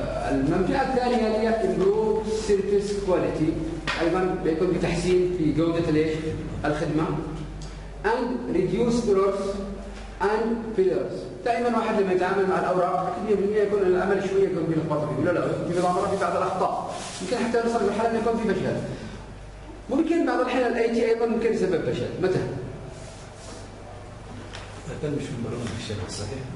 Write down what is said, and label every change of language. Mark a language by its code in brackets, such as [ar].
[ar] المنفعه الثانيه هي امبروف سيرفيس كواليتي، ايضا بيكون بتحسين في جوده ايش؟ الخدمه. [en] and reduce errors and failures. [ar] دائما واحد لما يتعامل مع الاوراق اكيد 100% يكون العمل شويه يكون فيه لخبطه، يقول لا في بعض المرات في بعض الاخطاء يمكن حتى نوصل لمرحله انه يكون في فشل. ممكن بعض الاحيان الاي تي ايضا ممكن يسبب فشل، متى؟ اذا كان مش مبرمج بشكل صحيح.